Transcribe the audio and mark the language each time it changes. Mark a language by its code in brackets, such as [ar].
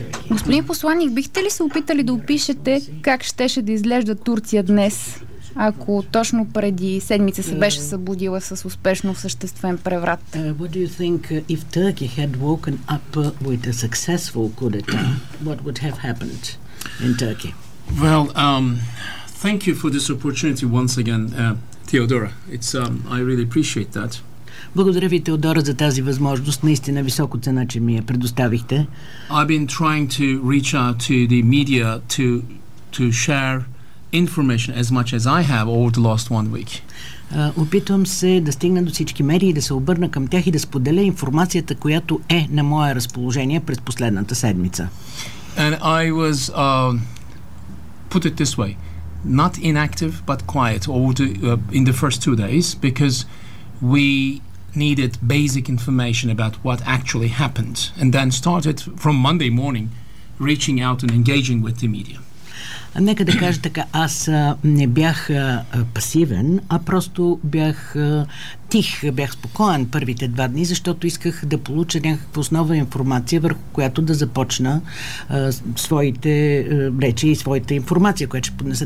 [bg] Господин посланник, бихте ли се опитали да опишете как щеше да изглежда Турция днес, ако точно преди седмица се беше събудила с успешно съществен преврат? [en] What do you think if Turkey had woken up with a successful coup d'etat? What would have happened in Turkey? Well, thank you for this opportunity once again, Theodora. It's I really appreciate that. [bg] Благодаря ви, Теодора, за тази възможност. Наистина високо цена, че ми я предоставихте. [en] I've been trying to reach out to the media to share information as much as I have over the last one week. [bg] Опитвам се да стигна до всички медии, да се обърна към тях и да споделя информацията, която е на мое разположение през последната седмица. [en] And I was put it this way, not inactive but quiet over the in the first two days because we needed basic information about what actually happened and then started from Monday morning reaching out and engaging with the media. [bg] Нека да кажа така, аз не бях пасивен, а просто бях тих, бях спокоен първите два дни, защото исках да получа някаква основна информация, върху която да започна своите речи и своята информация, която ще поднеса.